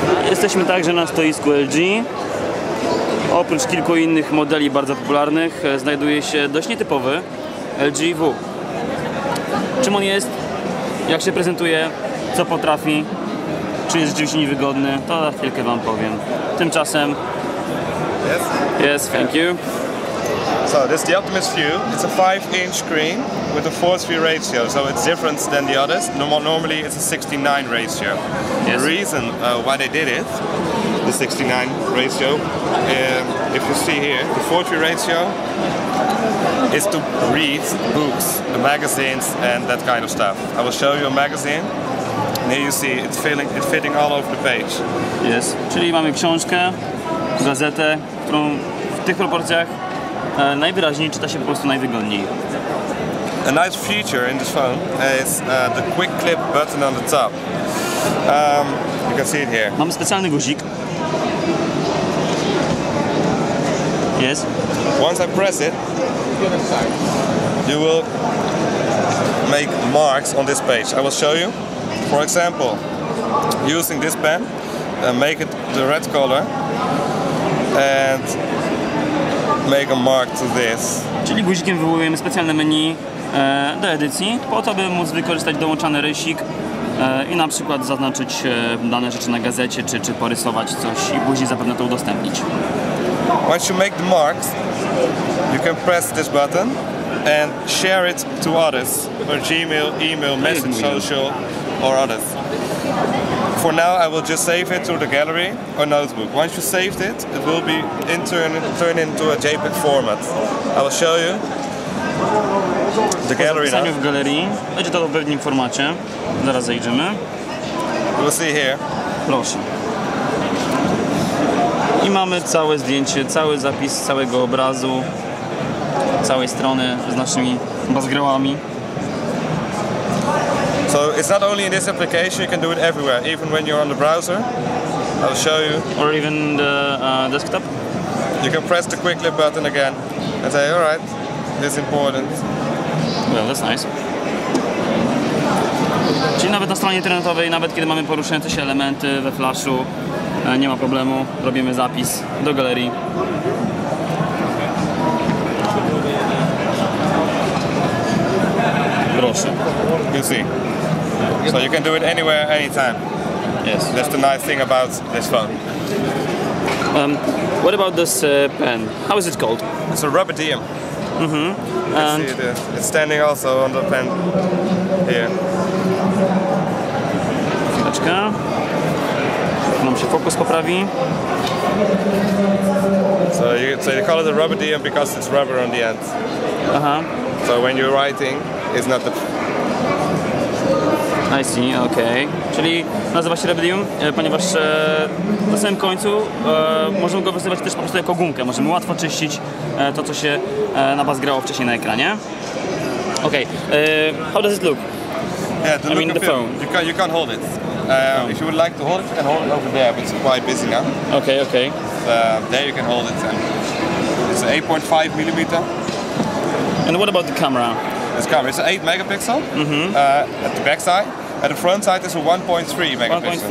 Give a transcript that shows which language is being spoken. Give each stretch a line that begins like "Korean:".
Polish: Jesteśmy także na stoisku LG. Oprócz kilku innych modeli bardzo popularnych znajduje się dość nietypowy LG V. Czym on jest? Jak się prezentuje? Co potrafi? Czy jest rzeczywiście niewygodny? To za chwilkę wam powiem. Tymczasem...
English: Yes? Yes, thank you. So this is the Optimus View. It's a 5-inch screen with a 4:3 ratio, so it's different than the others. Normally it's a 16:9 ratio. Yes. The reason why they did it, the 16:9 ratio, if you see here, the 4:3 ratio is to read books, the magazines and that kind of stuff. I will show you a magazine. And here you see it's fitting all over the page. Yes.
Polish: Czyli mamy książkę, gazetę, którą w tych proporcjach najwyraźniej czyta się po prostu najwygodniej.
English: A nice feature in this phone is the quick clip button on the top. You can see it here.
Polish: Mamy specjalny guzik.
English: Yes. Once I press it, you will make marks on this page. I will show you. For example, using this pen, make it the red color and make a mark to this.
Polish: Czyli guzikiem wywołujemy specjalne menu do edycji, po to by móc wykorzystać dołączany rysik i na przykład zaznaczyć dane rzeczy na gazecie, czy porysować coś i później zapewne to udostępnić.
English: Once you make the marks, you can press this button and share it to others, or Gmail, email, message, social, or others. For now, I will just save it to the gallery or notebook. Once you saved it, it will be turned into a JPEG format. I will show you the gallery now.
Polish: W galerii. Będzie to w pewnym formacie. Zaraz zejdziemy.
English: You will see here.
Polish: Proszę. I mamy całe zdjęcie, cały zapis całego obrazu, całej strony z naszymi bazgrałami.
English: So it's not only in this application, you can do it everywhere, even when you're on the browser. I'll show you. Or even the desktop. You can press the quick clip button again and say, all right, it's important. Well, that's nice.
Polish: Czyli nawet na stronie internetowej, nawet kiedy mamy poruszające się elementy we flashu, nie ma problemu, robimy zapis do galerii. Proszę.
English: You see. So you can do it anywhere, anytime. Yes. That's the nice thing about this phone. What about this pen? How is it called? It's a rubber DM. Mm-hmm. And you see it, it's standing also on the pen here.
Polish: Chwileczkę. Nam się fokus poprawi.
English: So you call it a rubber DM because it's rubber on the end. Uh-huh. So when you're writing, it's not the... I see, okay.
Polish: Czyli nazywa się rubidium, ponieważ na samym końcu możemy go wykorzystywać też po prostu jako gumkę. Możemy łatwo czyścić to, co się nabazgrało wcześniej na ekranie.
English: Okay, how does it look? Yeah, the look of the phone. You can't hold it. If you would like to hold it, you can hold it over there, but it's quite busy now. Okay, okay. There you can hold it. It's 8.5 millimeter. And what about the camera? This camera is 8 megapixel at the back side. At the front side is a 1.3 megapixel.